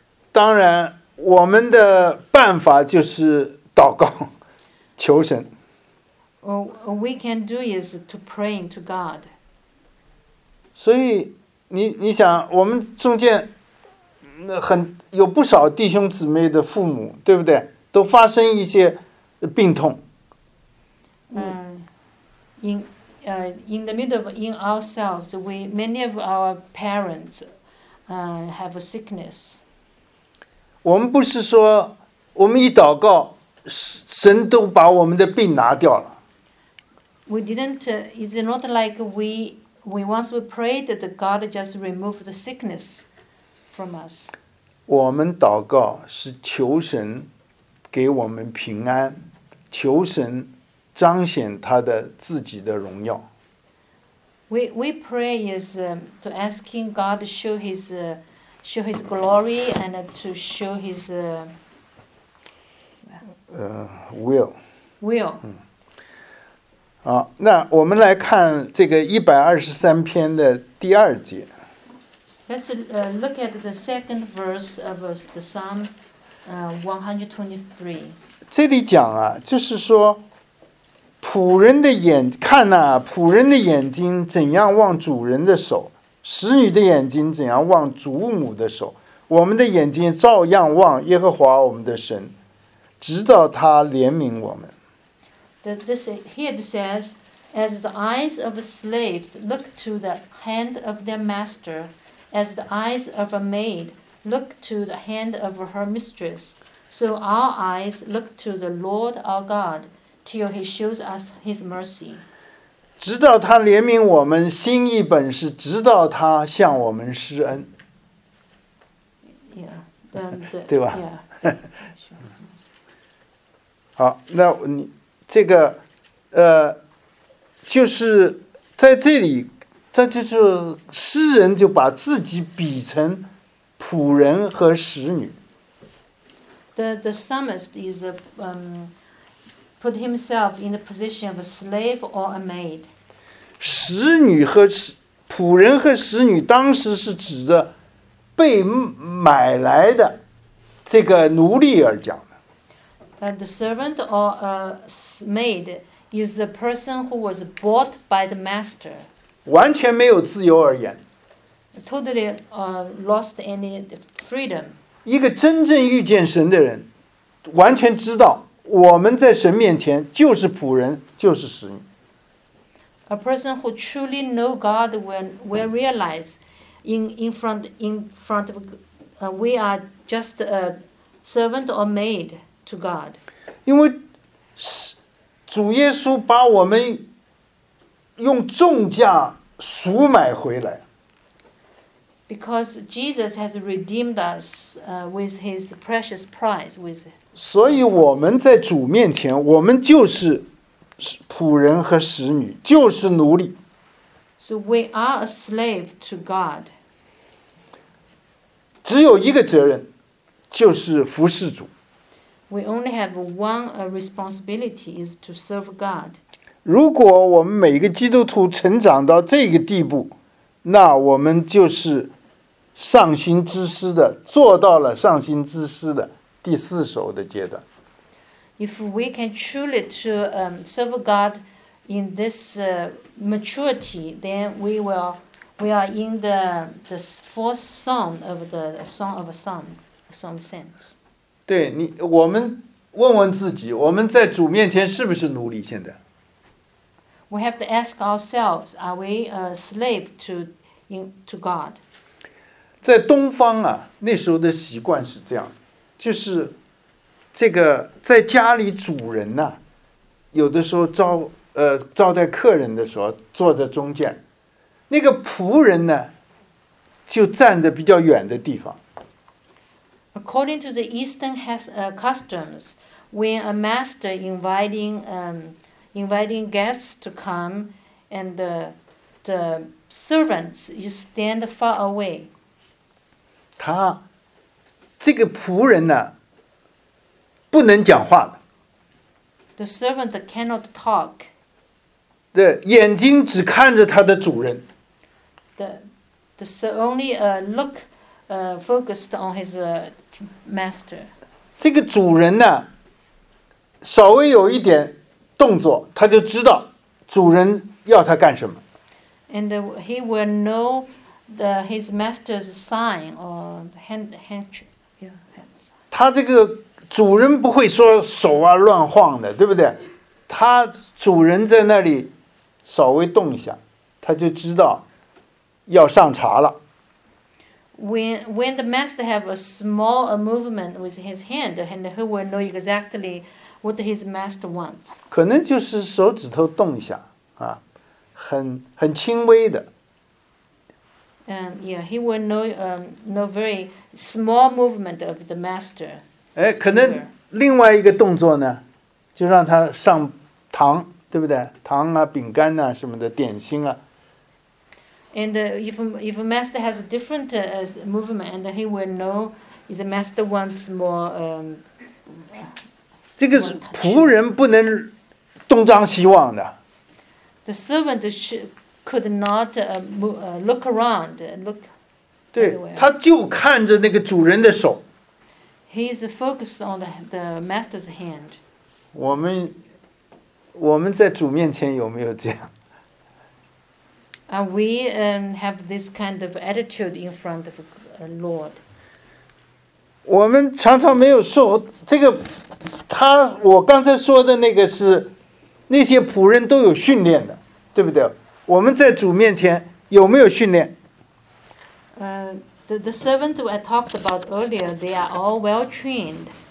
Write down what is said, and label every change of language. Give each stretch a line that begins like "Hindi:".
Chinese: 当然我们的办法就是祷告求神。
English: All we can do is to pray to God.
Chinese: 所以你想我们中间很有不少弟兄姊妹的父母，对不对？都发生一些病痛。
English: In the middle of in ourselves, we many of our parents have a sickness.
Chinese: 我们不是说我们一祷告，神都把我们的病拿掉了。
English: We didn't. It's not like we once we prayed that God just remove the sickness from us.
Chinese: 我们祷告是求神给我们平安，求神彰显他的自己的荣耀。
English: We pray is to asking God to show His show his glory and to show his will. Will.
Chinese: 好，那我们来看这个123篇的第二节。
English: Let's look at the second verse of the Psalm 123.
Chinese: 这里讲啊，就是说仆人的眼看呐、啊，仆人的眼睛怎样望主人的手，使女的眼睛怎样望祖母的手，我们的眼睛照样望耶和华我们的神，直到他怜悯我们。
English: This here says, as the eyes of slaves look to the hand of their master, as the eyes of a maid look to the hand of her mistress, so our eyes look to the Lord our God. Till he shows us his mercy.
Chinese: 直到他怜悯我们，新译本是直到他向我们施恩。
English: Yeah,
Chinese: the, 对吧？
English: Yeah.
Chinese: 好，那你这个就是在这里，这就是诗人就把自己比成仆人和使女。
English: The psalmist is a put himself in the position of a slave or a maid.
Chinese: 使女和仆人和使女当时是指的被买来的这个奴隶而讲的。
English: The servant or a maid is a person who was bought by the master.
Chinese: 完全没有自由而言。
English: Totally lost any freedom.
Chinese: 一个真正遇见神的人完全知道我们在神面前就是仆人，就是使女。
English: A person who truly know God will realize in front of we are just a servant or maid to God.
Chinese: 因为主耶稣把我们用重价赎买回来。
English: Because Jesus has redeemed us with his precious price with him.
Chinese: 所以我们在主面前，我们就是仆人和使女，就是奴隶。
English: So we are a slave to God.
Chinese: 只有一个责任，就是服侍主。
English: We only have one responsibility is to serve God.
Chinese: 如果我们每个基督徒成长到这个地步，那我们就是上心之师的，做到了上心之师的第四首的阶段。
English: If we can truly to serve God in this maturity, then we are in the fourth song of the song of some sense.
Chinese: 对你，我们问问自己，我们在主面前是不是奴隶？现在
English: ，We have to ask ourselves: Are we a slave to God?
Chinese: 在东方啊，那时候的习惯是这样。就是这个在家里主人呢、啊、有的时候招待客人的时候坐在中间，那个仆人呢就站在比较远的地方。
English: According to the Eastern customs, when a master inviting guests to come, and the servants you stand far away.
Chinese: 他这个仆人呢不能讲话的。
English: The servant cannot talk.
Chinese: 对，眼睛只看着他的主人。
English: The only look focused on his master.
Chinese: 这个主人呢稍微有一点动作他就知道主人要他干什么。
English: And he will know his master's sign or handshake.
Chinese: 他这个主人不会说手啊乱晃的，对不对？他主人在那里稍微动一下，他就知道要上茶了。
English: When the master have a small movement with his hand, and he will know exactly what his master wants.
Chinese: 可能就是手指头动一下啊，很轻微的。
English: Yeah, he will know no very small movement of the master.
Chinese: 哎，可能另外一个动作呢，就让他上糖，对不对？糖啊，饼干啊，什么的点心啊。
English: And if a master has a different movement, and he will know if the master wants more.
Chinese: 这个是仆人不能东张西望的。
English: The servant could not look around. Look.
Chinese: 对，他就看着那个主人的手。
English: He is focused on the master's hand.
Chinese: 我们在主面前有没有这样？
English: And we have this kind of attitude in front of the Lord.
Chinese: 我们常常没有受这个，他我刚才说的那个是那些仆人都有训练的，对不对？我们在主面前有没有训练？
English: The servants I talked about earlier, they are all well trained.